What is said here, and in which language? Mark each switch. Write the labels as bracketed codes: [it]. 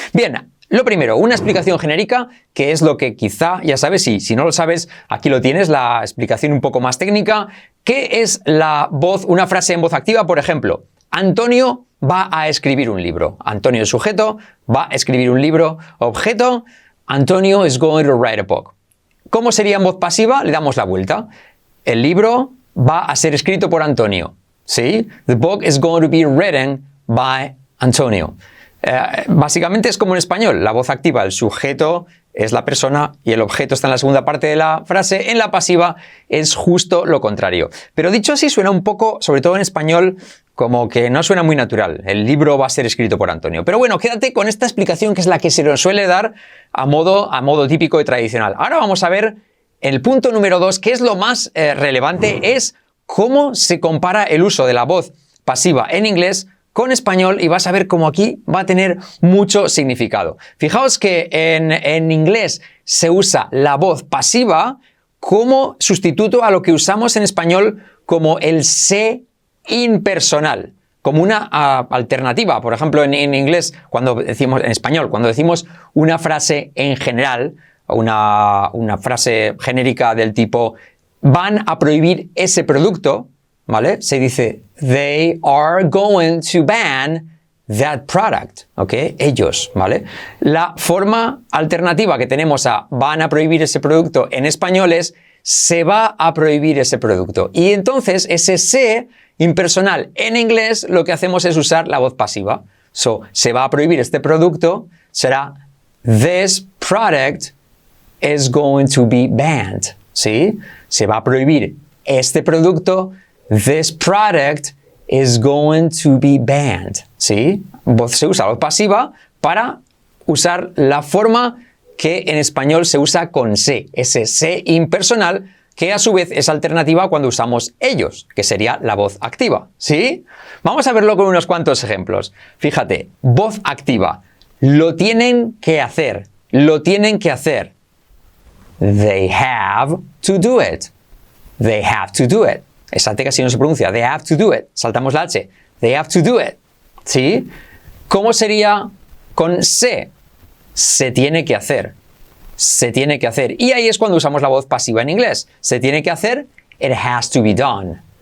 [es] Bien, lo primero, una explicación genérica, que es lo que quizá ya sabes, y si no lo sabes, aquí lo tienes, la explicación un poco más técnica. ¿Qué es la voz, una frase en voz activa? Por ejemplo, Antonio va a escribir un libro. Antonio es sujeto, va a escribir un libro, objeto. [en] Antonio is going to write a book. [es] ¿Cómo sería en voz pasiva? Le damos la vuelta. El libro va a ser escrito por Antonio. ¿Sí? [en] The book is going to be written by Antonio. [es] Básicamente es como en español, la voz activa, el sujeto es la persona y el objeto está en la segunda parte de la frase. En la pasiva es justo lo contrario. Pero dicho así, suena un poco, sobre todo en español, como que no suena muy natural. El libro va a ser escrito por Antonio. Pero bueno, quédate con esta explicación que es la que se nos suele dar a modo típico y tradicional. Ahora vamos a ver el punto número 2, que es lo más relevante, es cómo se compara el uso de la voz pasiva en inglés con español, y vas a ver cómo aquí va a tener mucho significado. Fijaos que en inglés se usa la voz pasiva como sustituto a lo que usamos en español como el se impersonal, como una alternativa. Por ejemplo, en inglés, cuando decimos, en español, cuando decimos una frase en general, una frase genérica del tipo van a prohibir ese producto, ¿vale? Se dice [en] they are going to ban that product, ¿ok? [es] Ellos, ¿vale? La forma alternativa que tenemos a van a prohibir ese producto en español es se va a prohibir ese producto. Y entonces ese se impersonal en inglés lo que hacemos es usar la voz pasiva. [en] So, [es] se va a prohibir este producto, será [en] this product is going to be banned, ¿sí? [es] Se va a prohibir este producto. [en] This product is going to be banned, ¿sí? [es] Voz se usa, voz pasiva, para usar la forma que en español se usa con se, ese se impersonal, que a su vez es alternativa cuando usamos ellos, que sería la voz activa, ¿sí? Vamos a verlo con unos cuantos ejemplos. Fíjate, voz activa, lo tienen que hacer, lo tienen que hacer. [en] They have to do it, they have to do it. [es] Esa T casi no se pronuncia. [en] They have to do it. [es] Saltamos la H. [en] They have to do it. ¿Sí? [es] ¿Cómo sería con se? Se tiene que hacer. Se tiene que hacer. Y ahí es cuando usamos la voz pasiva en inglés. Se tiene que hacer. [en] It has to be done.